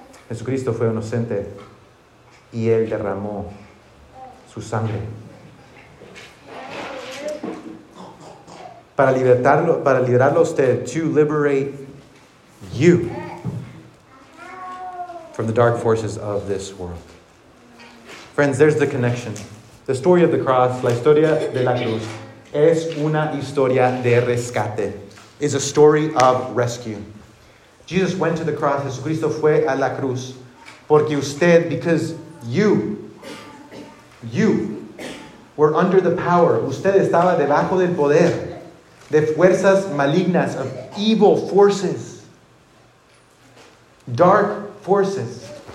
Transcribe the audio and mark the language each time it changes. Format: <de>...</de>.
<es>Jesucristo fue inocente y él derramó su sangre. Para liberarlo a usted,</es> <en>to liberate you from the dark forces of this world. Friends, there's the connection. The story of the cross,</en> <es>la historia de la cruz, es una historia de rescate.</es> <en>It's a story of rescue. Jesus went to the cross.</en> <es>Jesucristo fue a la cruz. Porque usted,</es> <en>because you were under the power.</en> <es>Usted estaba debajo del poder de fuerzas malignas,</es> <en>of evil forces, dark forces.</en>